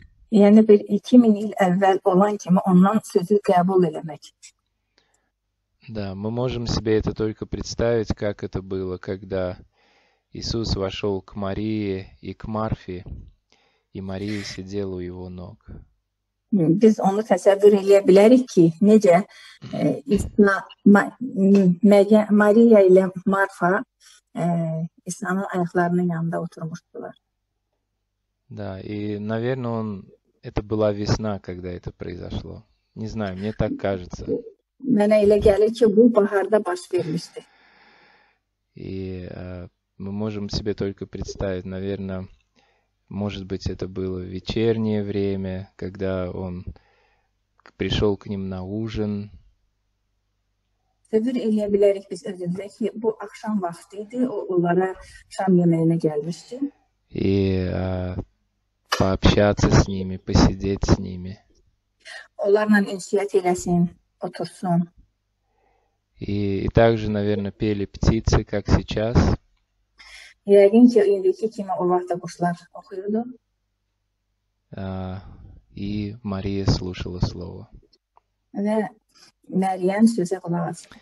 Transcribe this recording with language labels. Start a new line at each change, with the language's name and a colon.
Russian: Да, мы можем себе это только представить, как это было, когда Иисус вошел к Марии и к Марфе, и Мария сидела у Его ног.
Azerbaijani: Biz onu təsəvvür eləyə bilərik ki, necə İsa, Maria ilə Marfa İsa'nın ayaqlarının yanında oturmuşdular.
Russian: Да, и, наверное, он это была весна, когда это произошло. Не знаю, мне так кажется.
Azerbaijani: Mənə elə gəlir ki, bu baharda baş vermişdi.
Russian: И Мы можем себе только представить, наверное, может быть, это было вечернее время, когда он пришел к ним на ужин.
Azerbaijani: Təsəvvür eləyə bilərik biz özümüzə ki, bu axşam vaxtı idi, o onlara şam yeməyinə gəlmişdi.
Russian: И пообщаться с ними, посидеть с ними.
Azerbaijani: Onlarla ünsiyyət eləsin, otursun.
Russian: И также, наверное, пели птицы, как сейчас.
Azerbaijani: Yəqin ki, indiki kimi o vaxtda quşlar oxuyurdu.
Russian: И Мария слушала слово. Ve Мариан сюзе голова.